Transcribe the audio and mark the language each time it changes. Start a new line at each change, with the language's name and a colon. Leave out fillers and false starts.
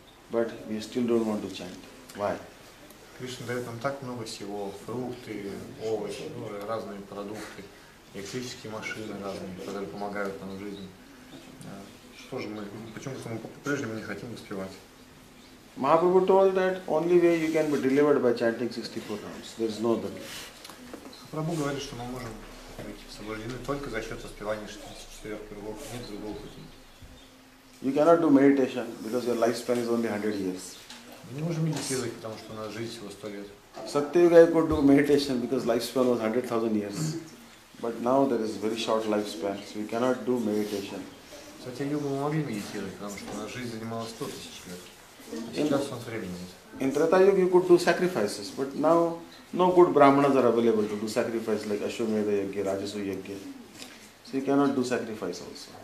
English: But we still don't want to chant. Why?
Russian: Кришна дает нам так много всего, фрукты, овощи, ну, разные продукты, электрические машины разные, которые помогают нам в жизни. Что же мы, почему-то мы по-прежнему не хотим успевать.
English: Mahaprabhu told that only way you can be delivered by chanting 64 rounds. There is no other way.
Russian: Mahaprabhu говорит, что мы можем быть освобождены только за счет воспевания 64 кругов, нет другого пути.
English: You cannot do meditation because your lifespan is only 100 years.
Russian: Мы можем медитировать, потому что у нас жизнь всего 100 лет.
English: Сатьяга could do meditation because lifespan was 100,000 years, but now there is very short lifespan, so we cannot do meditation.
Russian: Сатьяга мы могли медитировать, потому что у нас жизнь занимала 100 тысяч лет. Сейчас у нас времени нет.
English: In Treta Yuga you could do sacrifices, but now no good brahmanas are available to do sacrifices like Ashwamedha Yagya, Rajasu Yagya, so you cannot do sacrifice also.